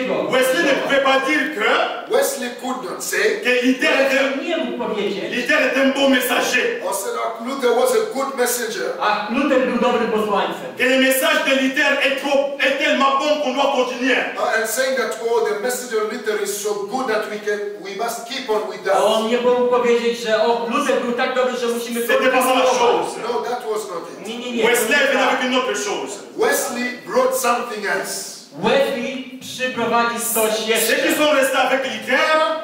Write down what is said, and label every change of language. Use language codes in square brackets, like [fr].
[fr] Wesley ne pouvait pas dire que [en] Wesley could not say [fr] que Luther était un bon messager. [en] Or said that Luther was a good messenger. [pl] Luther był dobry posłańcem. [fr] Que le message de Luther est tellement bon qu'on doit continuer. [en] And saying that the message of Luther is so good that we must keep on with that. [pl] On nie mógł powiedzieć, że Luther był tak dobry, że musimy kontynuować. [en] No, that was not it. [pl] Nie. [fr] Wesley venait avec une autre chose. [en] Wesley brought something else. [pl] Wesley przyprowadzi coś jeszcze. Ci, którzy zostali w Luther,